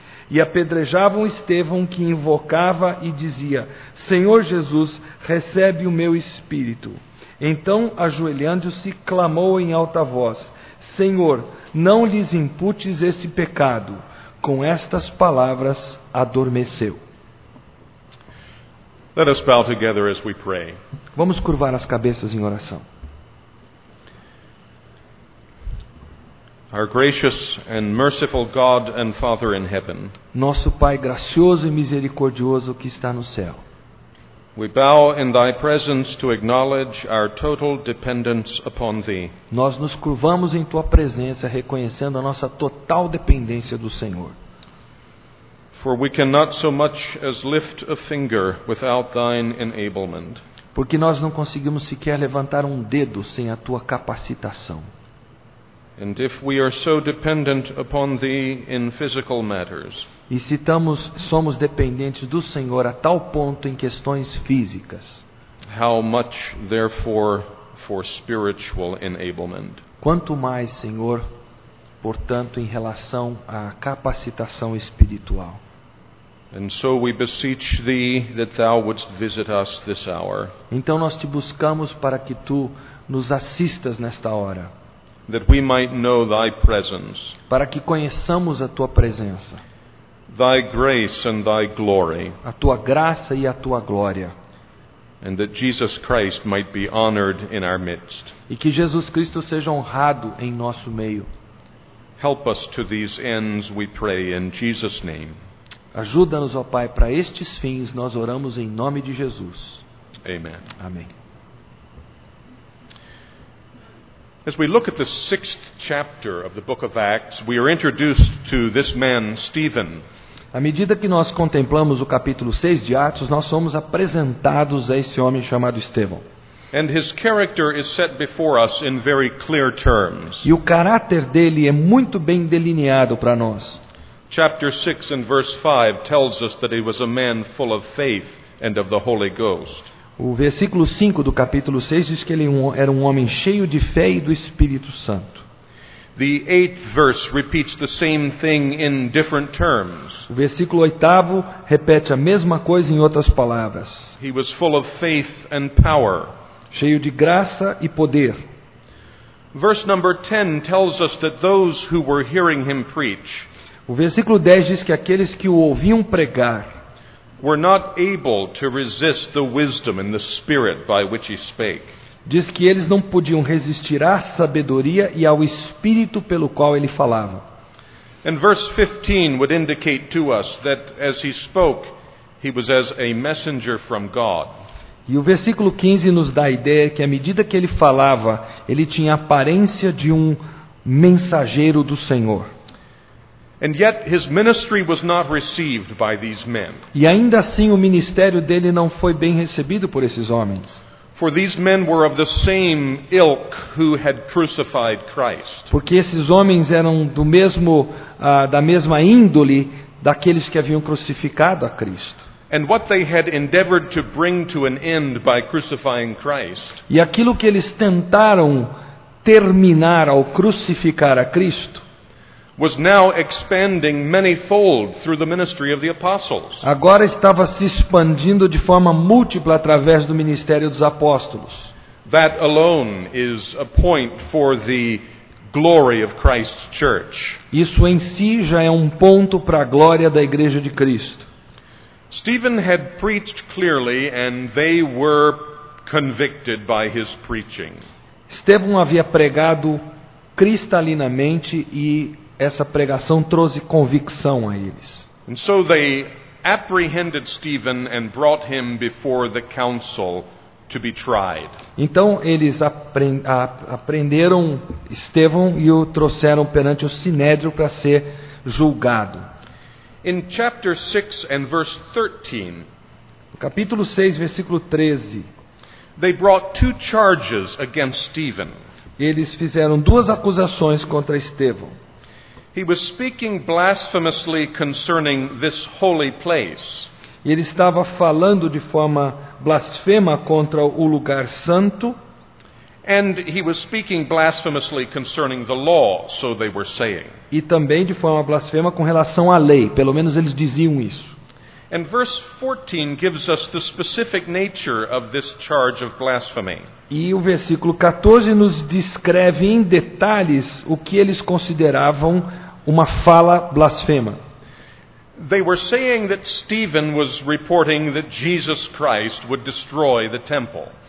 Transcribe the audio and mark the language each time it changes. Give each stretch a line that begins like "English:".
Portuguese: E apedrejavam Estevão, que invocava e dizia: Senhor Jesus, recebe o meu espírito. Então, ajoelhando-se, clamou em alta voz: Senhor, não lhes imputes esse pecado. Com estas palavras, adormeceu.
English: Let us bow together as we pray.
Portuguese: Vamos curvar as cabeças em oração.
English: Our gracious and merciful God and Father in heaven.
Portuguese: Nosso Pai gracioso e misericordioso que está no céu.
English: We bow in thy presence to acknowledge our total dependence upon thee.
Portuguese: Nós nos curvamos em tua presença reconhecendo a nossa total dependência do Senhor.
English: For we cannot so much as lift a finger without thine enablement.
Portuguese: Porque nós não conseguimos sequer levantar um dedo sem a tua capacitação.
English: And if we are so dependent upon thee in physical matters.
Portuguese: E se somos dependentes do Senhor a tal ponto em questões físicas.
English: How much therefore for spiritual enablement.
Portuguese: Quanto mais, Senhor, portanto, em relação à capacitação espiritual.
English: And so we beseech thee that thou wouldst visit us this hour.
Portuguese: Então nós te buscamos para que tu nos assistas nesta hora.
English: That we might know thy presence.
Portuguese: Para que conheçamos a tua presença.
English: Thy grace and thy glory.
Portuguese: A tua graça e a tua glória.
English: And that Jesus Christ might be honored in our midst.
Portuguese: E que Jesus Cristo seja honrado em nosso meio.
English: Help us to these ends, we pray in Jesus' name.
Portuguese: Ajuda-nos, ó Pai, para estes fins nós oramos em nome de Jesus.
English: Amen.
Portuguese: Amém.
English: As we look at the sixth chapter of the book of Acts, we are introduced to this man, Stephen.
Portuguese: À medida que nós contemplamos o capítulo 6 de Atos, nós somos apresentados a esse homem chamado Estevão.
English: And his character is set before us in very clear terms.
Portuguese: E o caráter dele é muito bem delineado para nós.
English: Chapter 6 and verse 5 tells us that he was a man full of faith and of the Holy Ghost.
Portuguese: O versículo 5 do capítulo 6 diz que ele era um homem cheio de fé e do Espírito Santo.
English: The 8th verse repeats the same thing in different terms.
Portuguese: O versículo 8º repete a mesma coisa em outras palavras.
English: He was full of faith and power.
Portuguese: Cheio de graça e poder.
English: Verse number 10 tells us that those who were hearing him preach.
Portuguese: O versículo 10 diz que aqueles que o ouviam pregar
English: were not able to resist the wisdom and the spirit by which he spake.
Portuguese: Diz que eles não podiam resistir à sabedoria e ao espírito pelo qual ele falava.
English: And verse 15 would indicate to us that as he spoke, he was as a messenger from God.
Portuguese: E o versículo 15 nos dá a ideia que à medida que ele falava, ele tinha a aparência de um mensageiro do Senhor.
English: And yet his ministry was not received by these men.
Portuguese: E ainda assim o ministério dele não foi bem recebido por esses homens.
English: For these men were of the same ilk who had crucified Christ.
Portuguese: Porque esses homens eram do mesmo da mesma índole daqueles que haviam crucificado a Cristo.
English: And what they had endeavored to bring to an end by crucifying Christ.
Portuguese: E aquilo que eles tentaram terminar ao crucificar a Cristo
English: was now expanding manifold through the ministry of the apostles.
Portuguese: Agora estava se expandindo de forma múltipla através do ministério dos apóstolos.
English: That alone is a point for the glory of Christ's church.
Portuguese: Isso em si já é um ponto para a glória da igreja de Cristo.
English: Stephen had preached clearly and they were convicted by his preaching.
Portuguese: Estevão havia pregado cristalinamente e essa pregação trouxe convicção a eles.
English: And so they apprehended Stephen and brought him before the council to be tried.
Portuguese: Então eles apreenderam Estevão e o trouxeram perante o sinédrio para ser julgado.
English: In chapter 6 and verse 13.
Portuguese: No capítulo 6, versículo 13.
English: They brought two charges against Stephen.
Portuguese: Eles fizeram duas acusações contra Estevão.
English: He was speaking blasphemously concerning this holy place.
Portuguese: E ele estava falando de forma blasfema contra o lugar santo.
English: And he was speaking blasphemously concerning the law, so they were saying.
Portuguese: E também de forma blasfema com relação à lei, pelo menos eles diziam isso.
English: And verse 14 gives us the specific nature of this charge of blasphemy.
Portuguese: E o versículo 14 nos descreve em detalhes o que eles consideravam uma fala blasfema.
English: They were saying that Stephen was reporting that Jesus Christ would destroy the temple.